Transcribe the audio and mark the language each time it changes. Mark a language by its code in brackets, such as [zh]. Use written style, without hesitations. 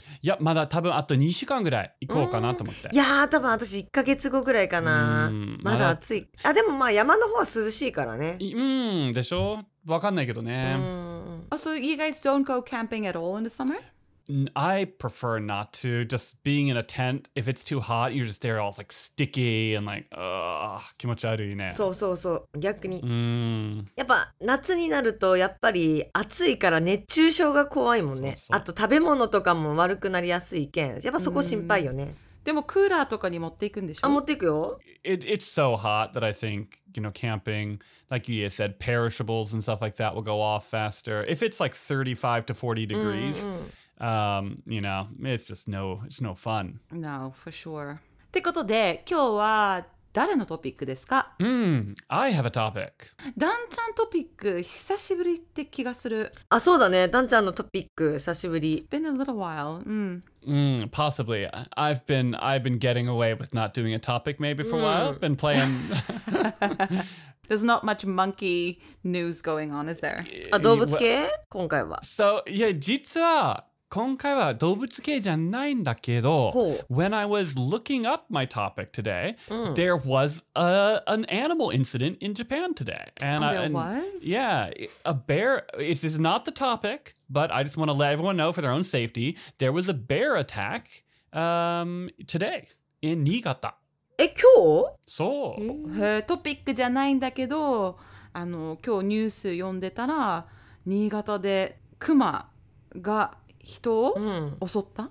[ja] いや、まだ多分あと2週間ぐらい行こうかなと思って。いや、多分私1ヶ月後ぐらいかな。まだ暑い。あ、でもまあ山の方は涼しいからね。でしょ？わかんないけどね。 [en] So you guys don't go camping at all in the summer? I prefer not to. Just being in a tent, if it's too hot, you're just there all like sticky and like, ugh, [ja] 気持ち悪いね。そうそうそう、逆に。やっぱ夏になるとやっぱり暑いから熱中症が怖いもんね。そうそう、あと食べ物とかも悪くなりやすいけん。やっぱそこ心配よね。でもクーラーとかに持っていくんでしょ？あ、持っていくよ。 [en] It's so hot that I think, you know, camping, like you said, perishables and stuff like that will go off faster. If it's like 35 to 40 degrees, you know, it's just no fun. No, for sure. [ja] ってことで、今日は誰のトピックですか？ [en] I have a topic. [ja] ダンちゃんトピック、久しぶりって気がする。あ、そうだね。ダンちゃんのトピック、久しぶり。 [en] It's been a little while. Possibly. I've been getting away with not doing a topic maybe for a while. Been playing... There's not much monkey news going on, is there? [ja] あ、動物系？今回は。 [en] So, yeah, [ja] 実は、今回は動物系じゃないんだけど、 [en] When I was looking up my topic today, there was an animal incident in Japan today. And there was? Yeah, a bear. This is not the topic, but I just want to let everyone know for their own safety. There was a bear attack today in Niigata. [ja] え、今日？そう。トピックじゃないんだけど、あの今日ニュース読んでたら新潟でクマが人を襲った、